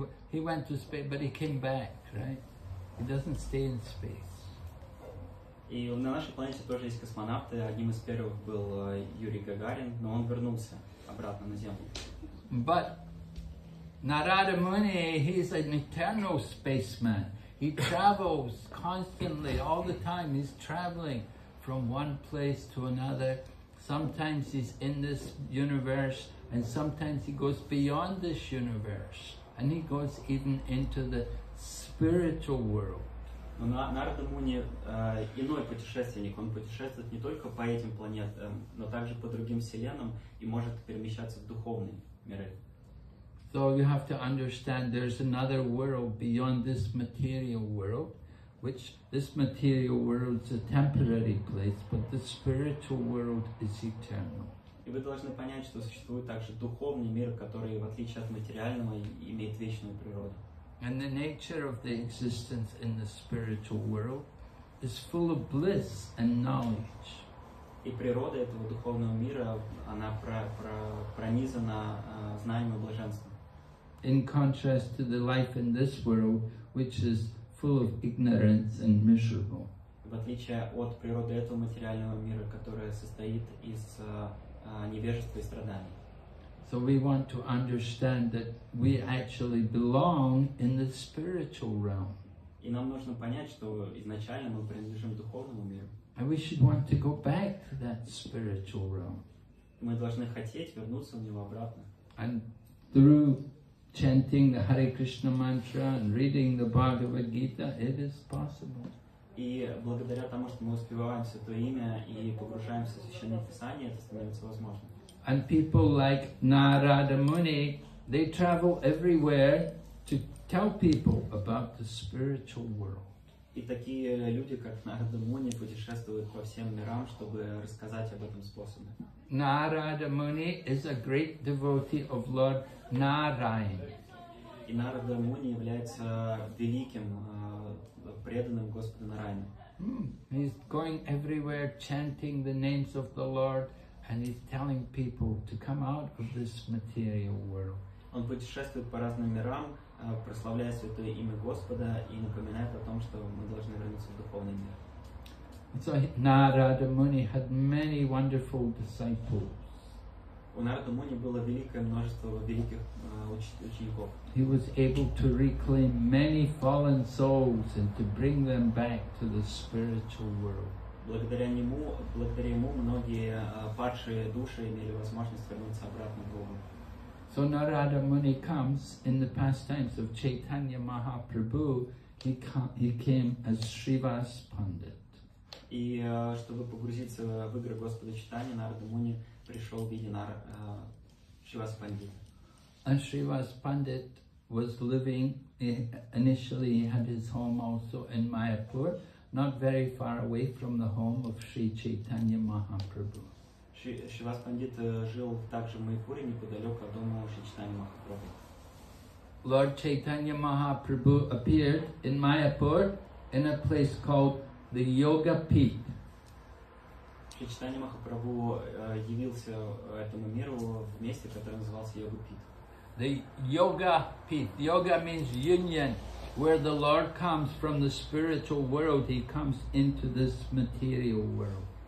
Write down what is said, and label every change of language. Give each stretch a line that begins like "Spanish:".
English: He went to space, but he came back, right? He doesn't stay in space.
Russian: И на нашей планете тоже есть космонавты. Одним из первых был Юрий Гагарин, но он вернулся обратно на Землю.
English: But Narada Muni, he's an eternal spaceman. He travels constantly, all the time. He's traveling from one place to another. Sometimes he's in this universe, and sometimes he goes beyond this universe. And he goes even into the spiritual world.
Russian: Но Нарада Муни иной путешественник. Он путешествует не только по этим планетам, но также по другим вселенным и может перемещаться в духовные миры.
English: So you have to understand there's another world beyond this material world, which this material world is a temporary place, but the spiritual world is eternal.
Russian: И вы должны понять, что существует также духовный мир, который, в отличие от материального, имеет вечную природу.
English: And the nature of the existence in the spiritual world is full of bliss and knowledge.
Russian: И природа этого духовного мира, она пронизана знанием и блаженством.
English: In contrast to the life in this world, which is full of ignorance and miserable.
Russian: В отличие от природы этого материального мира, которая состоит из невежества и страданий.
English: So we want to understand that we actually belong in the spiritual realm.
Russian: И нам нужно понять, что изначально мы принадлежим духовному миру.
English: And we should want to go back to that spiritual realm.
Russian: Мы должны хотеть вернуться в него обратно.
English: And through chanting the Hare Krishna mantra and reading the Bhagavad Gita, it is possible.
Russian: И благодаря тому, что мы успеваем Святое Имя и погружаемся в Священное Писание, это становится возможным.
English: And people like Narada Muni, they travel everywhere to tell people about the spiritual world.
Russian: И такие люди, как Narada Muni, путешествуют по всем мирам, чтобы рассказать об этом способе.
English: Narada Muni is a great devotee of Lord Narayan.
Russian: И Narada Muni является великим преданным Господу Нараяне.
English: He's going everywhere chanting the names of the Lord and he's telling people to come out of this material world.
Russian: Он путешествует по разным мирам, прославляя святое имя Господа и напоминает о том, что мы должны вернуться в духовный мир.
English: So Narada Muni had many wonderful disciples.
Russian: У Нарада Муни было великое множество великих учеников.
English: He was able to reclaim many fallen souls and to bring them back to the spiritual world.
Russian: Благодаря ему многие падшие души имели возможность вернуться обратно в Бога.
English: So Narada Muni comes in the pastimes of Chaitanya Mahaprabhu. He came as Srivas Pandit.
Russian: И чтобы погрузиться в игры Господа Чайтаньи, Нарада Муни пришел в виде Шривас Пандита.
English: And Шривас Пандит was living, initially he had his home also in Mayapur, not very far away from the home of Sri Chaitanya Mahaprabhu.
Russian: Шривас Пандит жил также в Майпуре, неподалеку от дома Шри Чайтаньи Махапрабху.
English: Lord Chaitanya Mahaprabhu appeared in Mayapur in a place called the Yoga Peak.
Russian: Шри Чайтанья Махапрабху явился этому миру в месте, которое называлось Yoga Peak.
English: The Yoga Peak. Yoga means union, where the Lord comes from the spiritual world, he comes into this material world.